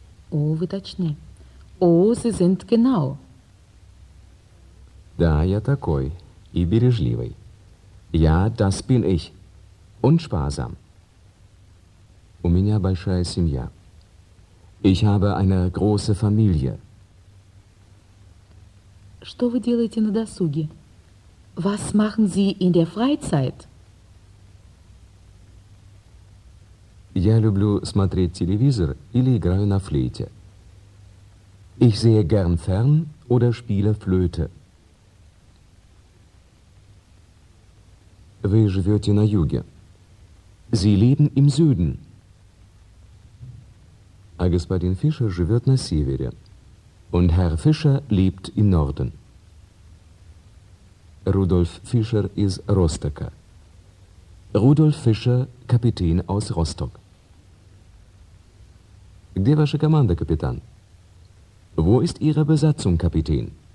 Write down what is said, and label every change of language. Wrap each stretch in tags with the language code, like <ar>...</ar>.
<ru>О, вы точны.</ru> <de>О, Sie sind genau.</de> <ru>Да, я такой. И бережливый.</ru> <de>Ja, das bin ich. Und sparsam.</de> <ru>У меня большая семья.</ru> <de>Ich habe eine große Familie.</de> <ru>Что вы делаете на досуге?</ru> <de>Was machen Sie in der Freizeit?</de> <ru>Я люблю смотреть телевизор или играю на флейте.</ru> <de>Ich sehe gern fern oder spiele Flöte.</de> <ru>Вы живете на юге.</ru> <de>Sie leben im Süden.</de> <ru>А господин Фишер живет на севере.</ru> <de>Und Herr Fischer lebt im Norden.</de> <ru>Rudolf Fischer из Ростока. Rudolf Fischer, капитан из Росток. Где ваша команда, капитан?</ru> <de>Wo ist Ihre Besatzung, капитан?</de>